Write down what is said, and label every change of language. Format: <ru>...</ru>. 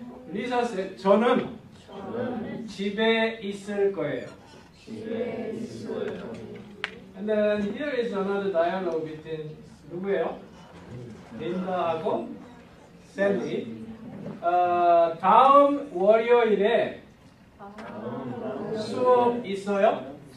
<ko>리사 씨, 저는 집에 있을 거예요. 집에 있을 거예요.</ko> <en>And then here is another dialogue between</en> <ko>누구예요? 린다하고 샌디. 다음 월요일에 수업 있어요?</ko>